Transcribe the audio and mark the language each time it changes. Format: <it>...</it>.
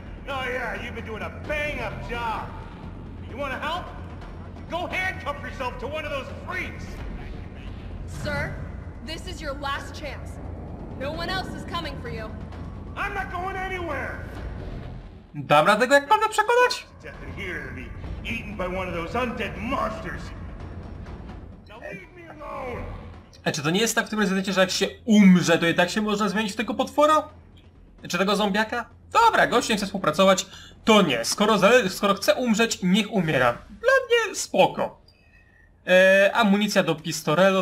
<en>Oh yeah, you've been doing a bang-up job. You want to help? Go handcuff yourself to one of those freaks. Sir, this is your last chance. No one else is coming for you. I'm not going anywhere.</en> <pl>Dam radę go jakkolwiek przekonać?</pl> <en>Here to be eaten by one of those undead monsters. Now leave me alone.</en> <pl>A czy to nie jest tak w tym rezydencie, że jak się umrze, to i tak się można zmienić w tego potwora? Czy tego zombiaka? Dobra, gość nie chce współpracować, to nie. Skoro chce umrzeć, niech umiera. Dla mnie spoko. Amunicja do pistolelo.</pl>